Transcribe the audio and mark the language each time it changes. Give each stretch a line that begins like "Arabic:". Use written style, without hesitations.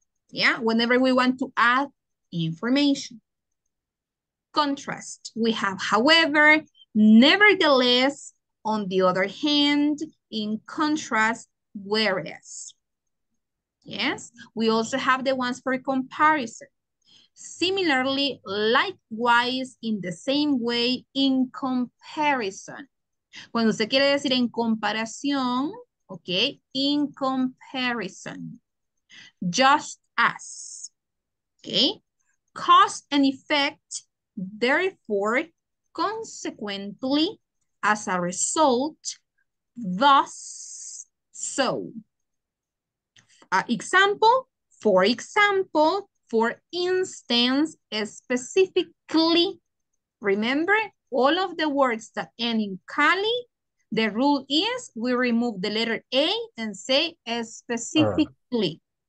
English: Yeah, whenever we want to add information. Contrast, we have however, nevertheless, on the other hand, in contrast, whereas. Yes, we also have the ones for comparison. Similarly, likewise, in the same way, in comparison.
Spanish: Cuando usted quiere decir en comparación, okay,
English: in comparison. Just as, okay? Cause and effect, therefore, consequently, as a result, thus, so. Example, for example, for instance, specifically, remember all of the words that end in Cali, the rule is we remove the letter A and say specifically.